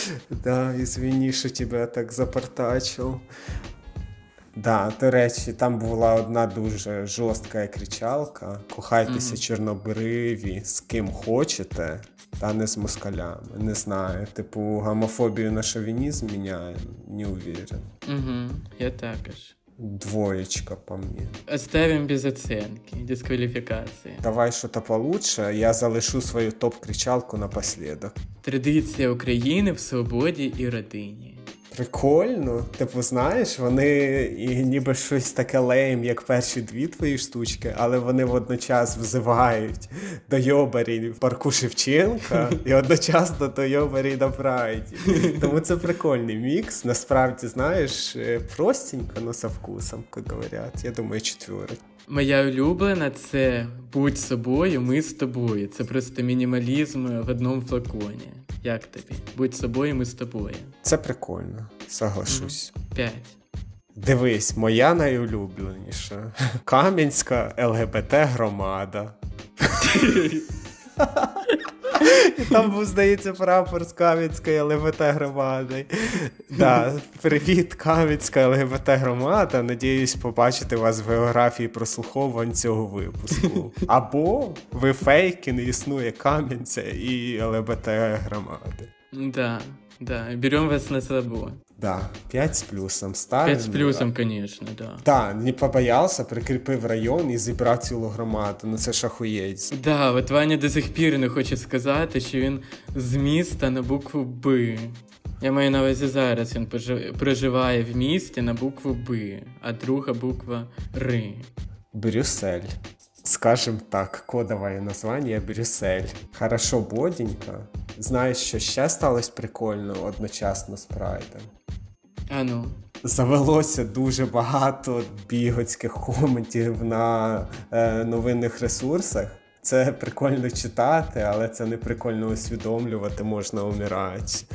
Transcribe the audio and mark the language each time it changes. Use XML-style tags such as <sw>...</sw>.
<uk>Да, ізвіні, що тебе так запортачив. Да, до речі, там була одна дуже жорстка кричалка. Кохайтеся, чорнобриві, з ким хочете, та не з москалями. Не знаю, типу, гомофобію на шовінізм міняє, не уверен. Угу, я також.</uk> <ru>Двоечка по мне. Оставим без оценки, дисквалификации. Давай что-то получше,</ru> <uk>я залишу свою топ-кричалку напоследок.</uk> <ru>Традиция Украины в свободе и родине. Прикольно.</ru> <uk>Типу, знаєш, вони і ніби щось таке лейм, як перші дві твої штучки, але вони водночас взивають до йобарі в парку Шевченка і одночасно до йобарі на Прайді. Тому це прикольний мікс. Насправді, знаєш, простенько,</uk> <ru>но со вкусом,</ru> <uk>як говорять. Я думаю, четверик. Моя улюблена – це «Будь собою, ми з тобою». Це просто мінімалізм в одному флаконі. Як тобі? «Будь собою, ми з тобою». Це прикольно, соглашусь. П'ять. Дивись, моя найулюбленіша – Кам'янська ЛГБТ-громада. Там був, здається, прапор з Кам'янської ЛГБТ-громади. Да, привіт, Кам'янська ЛГБТ-громада. Надіюсь побачити вас в географії прослуховувань цього випуску. Або ви фейки, не існує Кам'янця і ЛГБТ-громади. Да, да, беремо вас на слабо.</uk> <ru>Да, 5 с плюсом ставим. 5 с плюсом, да. Конечно, да. Да, не побоялся, прикрепив район и</ru> <uk>зібрав цілу громаду. Ну це ж охуєць. Да, вот Ваня до сих пір не хоче сказати, що він з міста на букву Б. Я маю на увазі зараз, він проживає в місті на букву Б, а друга буква Р. Брюссель.</uk> <ru>Скажем так, кодове название Брюссель. Хорошо, боденька.</ru> <uk>Знаєш, що ще сталося прикольно одночасно з Прайдом? А ну? Завелося дуже багато бігоцьких коментів на новинних ресурсах. Це прикольно читати, але це не прикольно усвідомлювати, можна умирати.</uk>